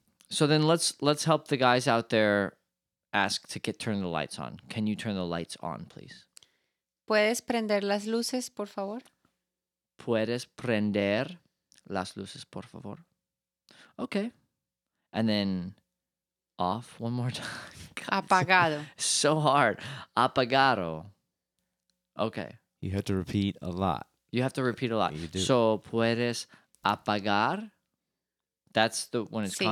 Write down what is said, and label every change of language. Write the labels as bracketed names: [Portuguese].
[English] So then let's help the guys out there ask to get turn the lights on. Can you turn the lights on, please? [Spanish] ¿Puedes prender las luces, por favor? ¿Puedes prender las luces, por favor? [English] Okay. And then off one more time. [Spanish] God, apagado. [English] So hard. Apagado. Okay. You have to repeat a lot. You have to repeat a lot. You do. So, [Spanish] ¿puedes apagar? [English] That's the when it's sí.